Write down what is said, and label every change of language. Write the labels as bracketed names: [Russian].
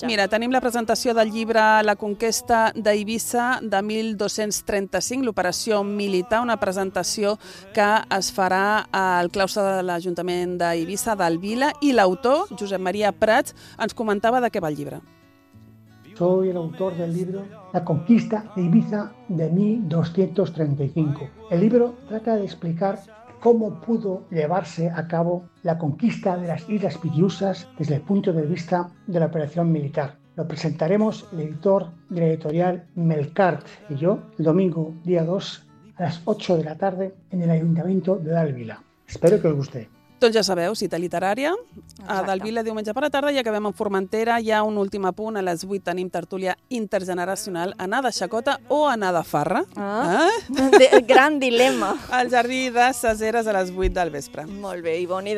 [Catalan] Sí, mira, tenim la presentació del llibre La conquesta d'Eivissa de 1235, l'operació militar, una presentació que es farà al claustre de l'Ajuntament d'Eivissa, del Vila, i l'autor, Josep Maria Prats, ens comentava de què va el llibre. [Spanish] Soy el autor del libro La conquista de Ibiza de 1235. El libro trata de explicar cómo pudo llevarse a cabo la conquista de las Islas Pitiusas desde el punto de vista de la operación militar. Lo presentaremos el editor de la editorial Melcart y yo el domingo día 2 a las 8:00 p.m. en el Ayuntamiento de Dalvila. Espero que os guste. [Catalan] Doncs ja sabeu, cita literària. Exacte. A Dalvila, diumenge per la tarda, i acabem en Formentera. Hi ha un últim apunt. A les 8 tenim tertúlia intergeneracional. Anar de xacota o anar de farra? Ah. Eh? Gran dilema. Al jardí de Saseres a les 8 del vespre. Molt bé, Ivoni.